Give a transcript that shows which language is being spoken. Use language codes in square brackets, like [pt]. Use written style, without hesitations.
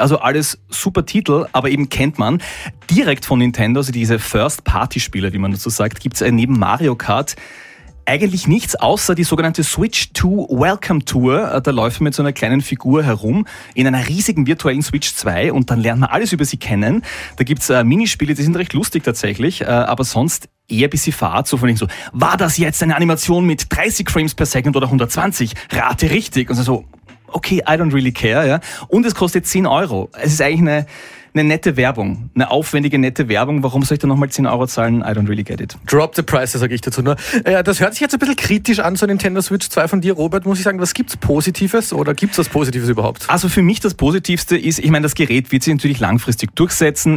[de] Also alles super Titel, aber eben kennt man. Direkt von Nintendo, also diese First-Party-Spiele, wie man dazu sagt, gibt es neben Mario Kart eigentlich nichts außer die sogenannte Switch 2 Welcome Tour. Da läuft man mit so einer kleinen Figur herum in einer riesigen virtuellen Switch 2 und dann lernt man alles über sie kennen. Da gibt's Minispiele, die sind recht lustig tatsächlich, aber sonst eher ein bisschen fad, so von denen so, war das jetzt eine Animation mit 30 Frames per Second oder 120? Rate richtig. Und so, [en] okay, I don't really care, ja. [de] Und es kostet 10 Euro. Es ist eigentlich eine nette Werbung, eine aufwendige nette Werbung. Warum soll ich da nochmal 10 Euro zahlen? [en] I don't really get it. Drop the price, [de] sage ich dazu nur. Das hört sich jetzt ein bisschen kritisch an, so Nintendo Switch 2 von dir, Robert. Muss ich sagen, was gibt's Positives oder gibt's was Positives überhaupt? Also für mich das Positivste ist, ich meine, das Gerät wird sich natürlich langfristig durchsetzen.